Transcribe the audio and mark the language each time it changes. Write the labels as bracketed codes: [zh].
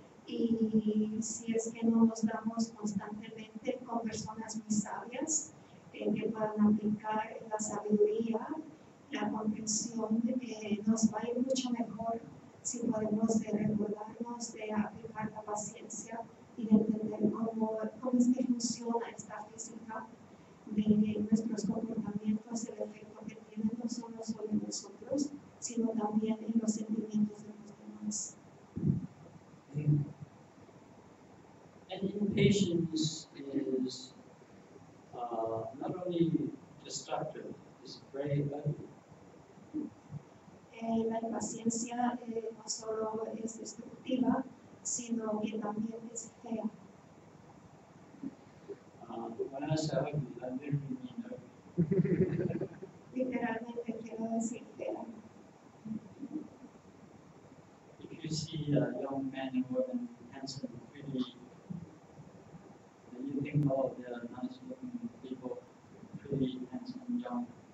[es] Y si es que no nos damos constantemente con personas muy sabias que puedan aplicar la sabiduría, la comprensión, nos va a ir mucho mejor si podemos recordarnos de aplicar la paciencia y de entender cómo es que funciona esta física de nuestros comportamientos, el efecto que tienen no solo sobre nosotros, sino también en los sentimientos de los demás. [en] And impatience is not only destructive, it's very ugly. [es] La impaciencia no solo es destructiva, sino que también es fea. [en] When I say ugly, I literally mean ugly. [es] Literalmente quiero decir fea. [en] If you see a young man and woman, handsome and pretty, you think, oh, they're nice looking people, pretty, handsome, young.